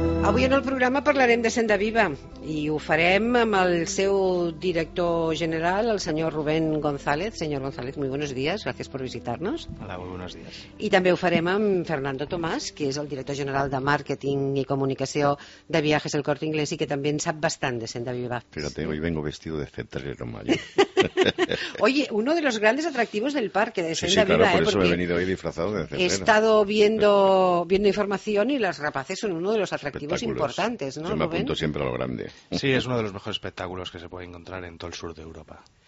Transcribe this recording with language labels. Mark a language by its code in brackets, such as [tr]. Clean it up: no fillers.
[ca] Avui en el programa parlarem de Senda Viva i ho farem amb el seu director general, el senyor Rubén González. [es] Senyor González, muy buenos días, gracias por visitarnos. Hola, muy buenos días. [ca] I també ho farem amb Fernando Tomás, que és el director general de màrqueting i comunicació de Viajes del Corte Inglés i que també en sap bastant de Senda Viva. [es] Fíjate, hoy vengo vestido de cetrero mayor. Oye, uno de los grandes atractivos del parque de Senda Viva. Sí, claro, por eso he venido hoy disfrazado de cetrero. He estado viendo información y las rapaces son uno de los atractivos importantes, ¿no? Yo me apunto siempre a lo grande. Sí, es uno de los mejores espectáculos que se puede encontrar en todo el sur de Europa.